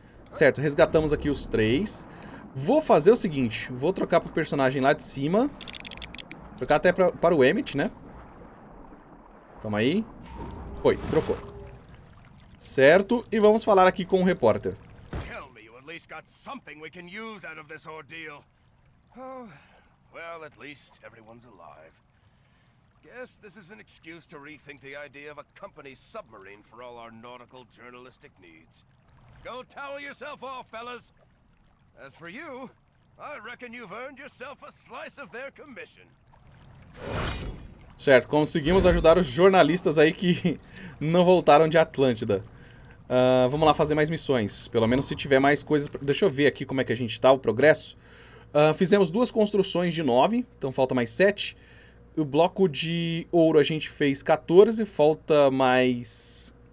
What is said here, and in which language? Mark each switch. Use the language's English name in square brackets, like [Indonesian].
[Portuguese] Certo, resgatamos aqui os 3. Vou fazer o seguinte, vou trocar pro personagem lá de cima. Trocar até para o Emmett, né? Calma aí. Foi, trocou. Certo, e vamos falar aqui com o repórter. [English] Tell me, you at least got something we can use out of this ordeal. Oh, well, at least everyone's alive. Guess this is an excuse to rethink the idea of a company submarine for all our nautical journalistic needs. Go towel yourself off, fellas. As for you, I reckon you've earned yourself a slice of their commission. [Portuguese] Certo, conseguimos ajudar os jornalistas aí que não voltaram de Atlântida. Vamos lá fazer mais missões. Pelo menos se tiver mais coisas... Deixa eu ver aqui como é que a gente tá, o progresso. Fizemos 2 construções de 9, então falta mais 7. O bloco de ouro a gente fez 14, falta mais...